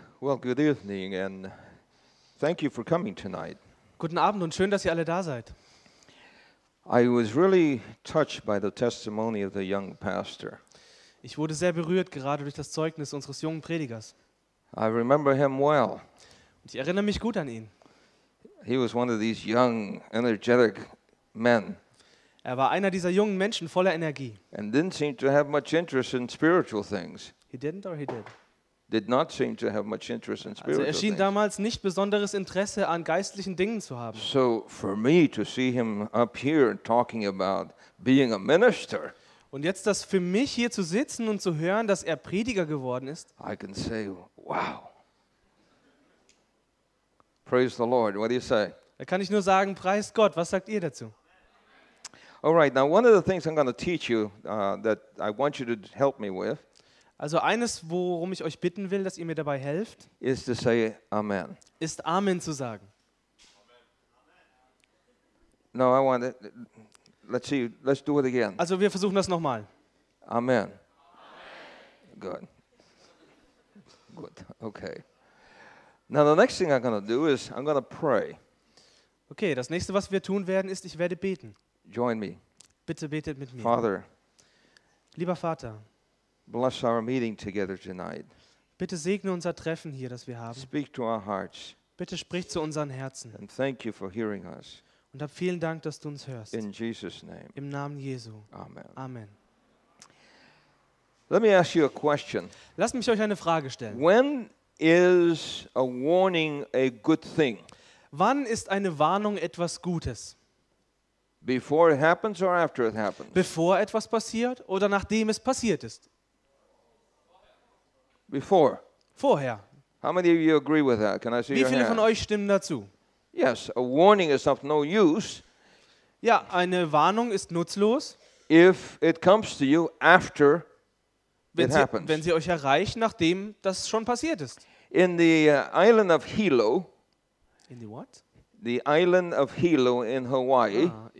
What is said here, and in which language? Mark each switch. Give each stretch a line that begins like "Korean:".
English: Well, good evening and thank you for coming tonight.
German: Guten Abend und schön, dass ihr alle da seid.
English: I was really touched by the testimony of the young pastor.
German: Ich wurde sehr berührt gerade durch das Zeugnis unseres jungen Predigers.
English: I remember him well.
German: Und ich erinnere mich gut an ihn.
English: He was one of these young, energetic men.
German: Er war einer dieser jungen Menschen voller Energie.
English: And didn't seem to have much interest in spiritual things. He didn't or he did? Did not seem to have much interest in spiritual things.
German: Also er schien damals nicht besonderes Interesse an geistlichen Dingen zu haben.
English: So for me to see him up here talking about being a minister.
German: Und jetzt das für mich hier zu sitzen und zu hören, dass er Prediger geworden ist.
English: I can say, wow. Praise the Lord. What do you say?
German: Da kann ich nur sagen, preist Gott. Was sagt ihr dazu?
English: All right. Now one of the things I'm going to teach you that I want you to help me with.
German: Also eines, worum ich euch bitten will, dass ihr mir dabei helft,
English: is to say amen.
German: Ist Amen zu sagen.
English: No, I want it. Let's see. Let's do it again.
German: Also wir versuchen das nochmal.
English: Amen. Good. Good. Okay. Now the next thing I'm going to do is I'm going to pray.
German: Okay, das nächste, was wir tun werden, ist, ich werde beten.
English: Join me.
German: Bitte betet mit mir.
English: Father.
German: Lieber Vater.
English: Bless our meeting together tonight.
German: Bitte segne unser Treffen hier, das wir haben.
English: Speak to our hearts.
German: Bitte sprich zu unseren Herzen.
English: And thank you for hearing us.
German: Und hab vielen Dank, dass du uns hörst.
English: In Jesus name.
German: Im Namen Jesu.
English: Amen.
German: Amen.
English: Let me ask you a question.
German: Lass mich euch eine Frage stellen.
English: When is a warning a good thing?
German: Wann ist eine Warnung etwas Gutes?
English: Before it happens or after it happens?
German: Bevor etwas passiert oder nachdem es passiert ist?
English: Before.
German: Vorher.
English: How many of you agree with that? Can I see your hand?
German: Wie viele von euch stimmen dazu?
English: Yes, a warning is of no use.
German: Ja, eine Warnung ist nutzlos.
English: If it comes to you after it happens.
German: Wenn sie euch erreicht, nachdem das schon passiert ist.
English: In the island of Hilo. In the what? The island of Hilo in Hawaii.